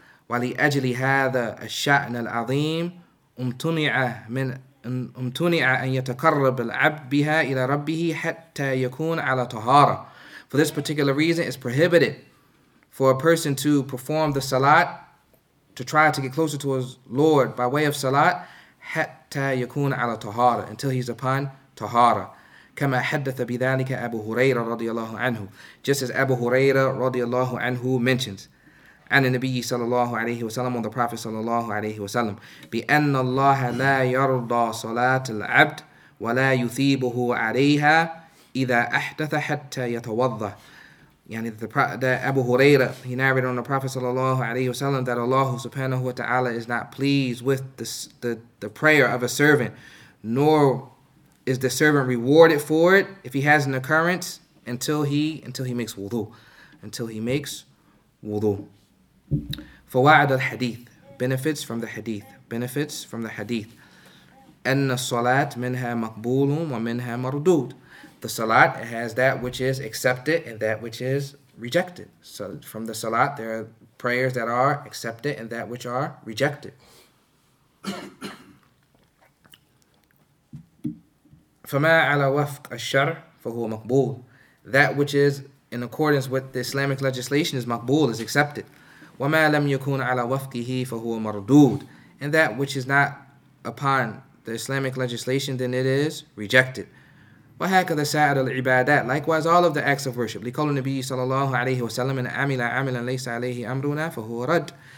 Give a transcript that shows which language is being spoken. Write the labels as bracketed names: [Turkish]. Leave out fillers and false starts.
[Arabic] وَلِأَجْلِ هَذَا الشَّأْنَ الْعَظِيمِ أُمْتُنِعَ مِنْ أُمْتُنِعَ أَنْ يَتَقَرَّبَ الْعَبْدُ بِهَا إِلَى رَبِّهِ حَتَّى يَكُونَ عَلَى طَهَارَةٍ. [English] For this particular reason, it's prohibited for a person to perform the salat, to try to get closer to his Lord by way of salat, [Arabic] حَتَّى يَكُونَ عَلَى طَهَارَةٍ, [English] until he's upon tahara. [Arabic] كَمَا حَدَّثَ بِذَلِكَ أَبُو هُرَيْرَ رَضِيَ اللَّهُ عَنْهُ, [English] just as Abu Huraira [Arabic] رَضِيَ اللَّهُ عَنْهُ mentions. عن النبي صلى الله عليه وسلم, [English] on the Prophet [Arabic] صلى الله عليه وسلم, بِأَنَّ اللَّهَ لَا يَرْضَى صَلَاةَ الْعَبْدِ وَلَا يُثِيبُهُ عَلَيْهَا إِذَا أَحْدَثَ حَتَّى يَتَوَضَّى. [English] Yani that Abu Huraira, he narrated on the Prophet صلى الله عليه وسلم that Allah subhanahu wa ta'ala is not pleased with the prayer of a servant, nor is the servant rewarded for it if he has an occurrence until he makes wudu. Until he makes wudu. [Arabic] فوائد الحديث, [English] benefits from the hadith, benefits from the hadith. [Arabic] أن الصلاة منها مقبول ومنها مردود. [English] The salat has that which is accepted and that which is rejected. So from the salat there are prayers that are accepted and that which are rejected. [Arabic] فما على وفق الشرع فهو مقبول. [English] That which is in accordance with the Islamic legislation is مقبول, is accepted. [Arabic] وما لم يكون على وفقه فهو مردود. [English] And that which is not upon the Islamic legislation, then it is rejected. [Arabic] وهكذا سائر العبادات. [English] Likewise, all of the acts of worship. [Arabic] لقول النبي صلى الله عليه وسلم من عمل عملا ليس عليه أمرنا فهو رد.